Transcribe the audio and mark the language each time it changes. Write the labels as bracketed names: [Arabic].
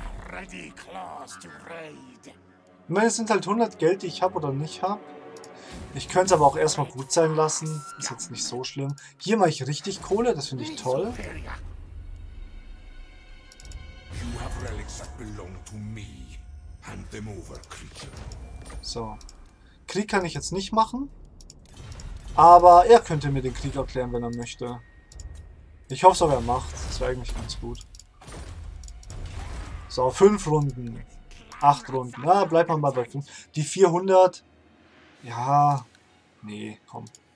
[English] Ready Claws to Raid. [German] Ich meine, es sind halt 100 Geld, die ich habe oder nicht habe. Ich könnte es aber auch erstmal gut sein lassen. Ist jetzt nicht so schlimm. Hier mache ich richtig Kohle, das finde ich toll. [English] You have relics that belong to me. Hand them over, creature. [German] So. Krieg kann ich jetzt nicht machen. Aber er könnte mir den Krieg erklären, wenn er möchte. Ich hoffe es aber, er macht. Das wäre eigentlich ganz gut. So, 5 Runden. 8 Runden. Na, bleibt man mal bei 5. Die 400. Ja. Nee, komm.